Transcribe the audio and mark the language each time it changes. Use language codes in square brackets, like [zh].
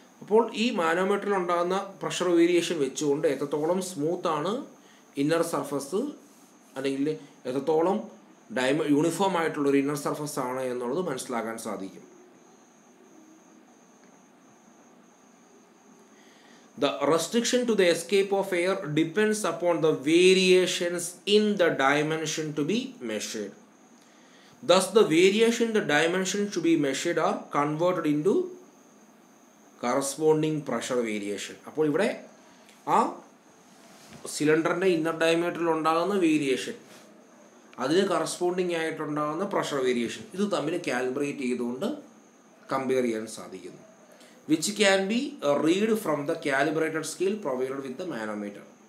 [ml] അപ്പോൾ ഈ മാനോമീറ്ററിലുണ്ടാകുന്ന pressure variation വെച്ചുകൊണ്ട് എത്രത്തോളം സ്മൂത്താണ് ഇന്നർ സർഫസ്, അല്ലെങ്കിൽ എത്രത്തോളം യൂണിഫോം ആയിട്ടുള്ളൊരു ഇന്നർ സർഫസ് ആണ് എന്നുള്ളത് മനസ്സിലാക്കാൻ സാധിക്കും. [en] The restriction to the escape of air depends upon the variations in the dimension to be measured. Thus, the variation in the dimension to be measured are converted into corresponding pressure variation. [ml] അപ്പോൾ ഇവിടെ ആ സിലിണ്ടറിൻ്റെ inner ഡയമീറ്ററിൽ ഉണ്ടാകുന്ന variation, അതിന് corresponding ആയിട്ടുണ്ടാകുന്ന pressure variation, ഇത് തമ്മിൽ കാൽബ്രേറ്റ് ചെയ്തുകൊണ്ട് compare ചെയ്യാൻ സാധിക്കുന്നു. [en] Which can be read from the calibrated scale provide with the manometer.